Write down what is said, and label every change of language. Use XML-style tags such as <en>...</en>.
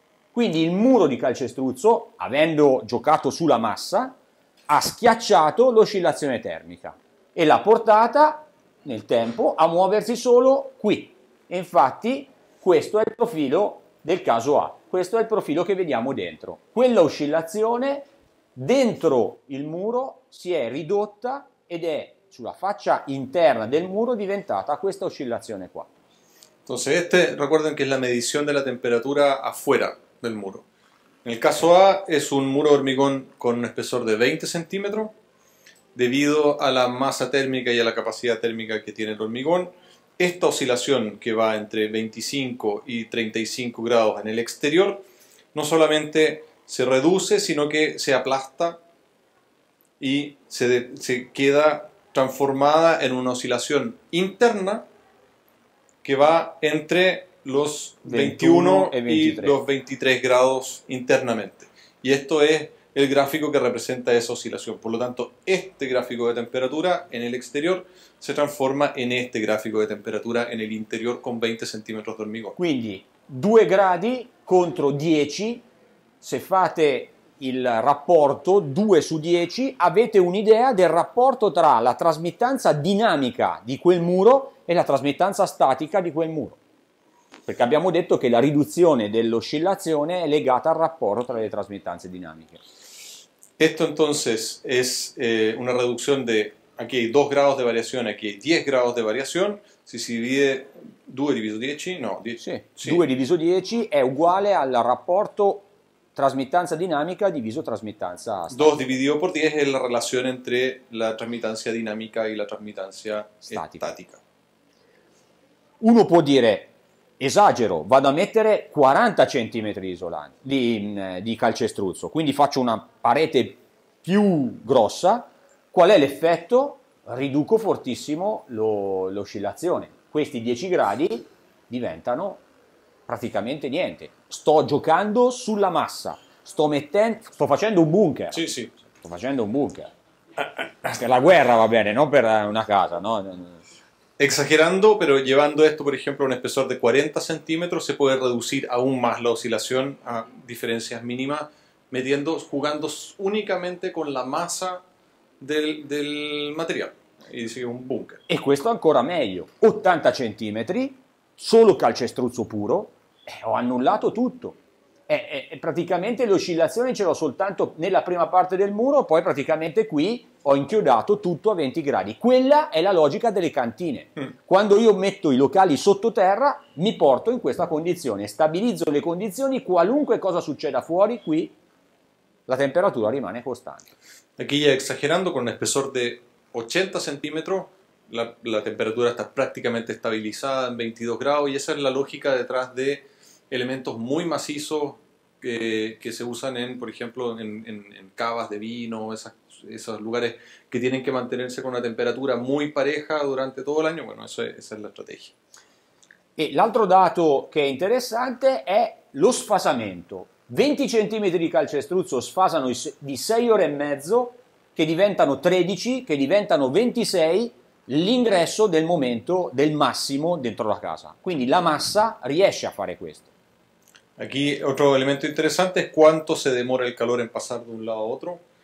<it>Quindi il muro di calcestruzzo, avendo giocato sulla massa, ha schiacciato l'oscillazione termica e l'ha portata nel tempo a muoversi solo qui. E infatti questo è il profilo del caso A. Questo è il profilo che vediamo dentro. Quella oscillazione dentro il muro si è ridotta ed è sulla faccia interna del muro diventata questa oscillazione qua.</it> <es>Entonces, este recuerden que es la medición de la temperatura afuera del muro.</es> <it>Nel caso</it> <es>A es un muro hormigón con un espesor de 20 cm. Debido a la masa térmica y a la capacidad térmica que tiene el hormigón, esta oscilación que va entre 25 y 35 grados en el exterior no solamente se reduce, sino que se aplasta y se queda transformada en una oscilación interna que va entre los 21 y los 23 grados internamente. Y esto es el gráfico que representa esa oscilación. Por lo tanto, este gráfico de temperatura en el exterior se transforma en este gráfico de temperatura en el interior con 20 centímetros de hormigón.</es> <it>Quindi, 2 gradi contro 10, se fate il rapporto 2 su 10, avete un'idea del rapporto tra la trasmittanza dinamica di quel muro e la trasmittanza statica di quel muro. Perché abbiamo detto che la riduzione dell'oscillazione è legata al rapporto tra le trasmittanze dinamiche.</it> <es>Esto entonces es una reducción de, aquí hay 2 grados de variación, aquí hay 10 grados de variación, si se divide 2 diviso 10, no, 10. Sí.</es> <it>2 diviso 10 è uguale al rapporto trasmittanza dinamica diviso trasmittanza statica.</it> <es>2 dividido por 10 es la relación entre la trasmittanza dinamica y la trasmittanza statica.</es> <it>Uno può dire: esagero, vado a mettere 40 cm di calcestruzzo, quindi faccio una parete più grossa. Qual è l'effetto? Riduco fortissimo l'oscillazione. Questi 10 gradi diventano praticamente niente. Sto giocando sulla massa, sto facendo un bunker. Sì, sì. Sto facendo un bunker. Per la guerra va bene, non per una casa, no?</it> <es>Exagerando, pero llevando esto, por ejemplo, a un espesor de 40 centímetros, se puede reducir aún más la oscilación a diferencias mínimas, metiendo, jugando únicamente con la masa del materiale.</es> <it>E dice che è un bunker. E questo ancora meglio, 80 centimetri, solo calcestruzzo puro, ho annullato tutto. Praticamente l'oscillazione ce l'ho soltanto nella prima parte del muro, poi praticamente qui ho inchiodato tutto a 20 gradi. Quella è la logica delle cantine. Quando io metto i locali sottoterra, mi porto in questa condizione, stabilizzo le condizioni, qualunque cosa succeda fuori, qui la temperatura rimane costante.</it> <es>Aquí ya exagerando con un espesor de 80 centímetros, la temperatura está prácticamente estabilizada en 22 grados y esa es la lógica detrás de elementos muy macizos que se usan en, por ejemplo, en cavas de vino, esos lugares que tienen que mantenerse con una temperatura muy pareja durante todo el año. Bueno, esa es la estrategia.</es> <it>E l'altro dato che è interessante è lo sfasamento. 20 centimetri di calcestruzzo sfasano di 6 ore e mezzo, che diventano 13, che diventano 26, l'ingresso del momento del massimo dentro la casa. Quindi la massa riesce a fare questo.</it> <es>Aquí otro elemento interesante es cuánto se demora el calor en pasar de un lado a otro.</es>